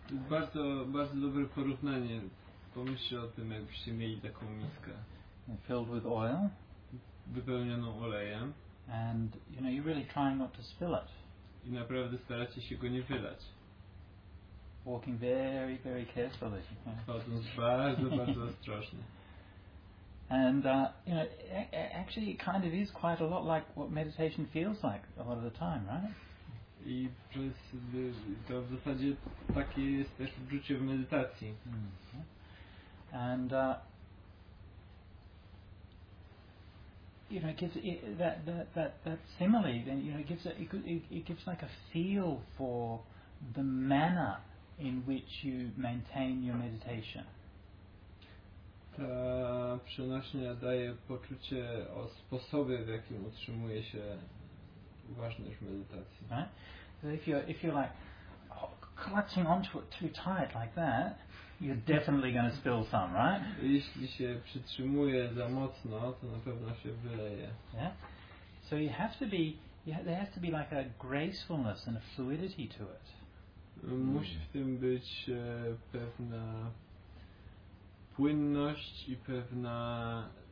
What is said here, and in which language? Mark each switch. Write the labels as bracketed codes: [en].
[pl] Bardzo, bardzo dobre porównanie. Pomyślcie o tym, jakbyście mieli taką miskę. [en] And filled with oil. [pl] Wypełnioną olejem. [en] And you know, you're really trying not to spill it. [pl] I naprawdę staracie się go nie wylać. [en] Walking very, very carefully. [pl] Chodząc bardzo, bardzo ostrożnie. [en] And, you know, actually it kind of is quite a lot like what meditation feels like a lot of the time, right? [pl] I to w zasadzie takie jest też uczucie w medytacji. [en] And, you know, it gives that simile. Then you know, it gives like a feel for the manner in which you maintain your meditation. [pl] Ta przenośnia daje poczucie o sposobie, w jakim utrzymuje się uważność w medytacji. [en] Right? So if you're like clutching onto it too tight like that, you're definitely going to spill some, right? [pl] Jeśli się przytrzymuje za mocno, to na pewno się wyleje. [en] Yeah. So you have to be, there has to be like a gracefulness and a fluidity to it. [pl] Musi w tym być pewna płynność i pewna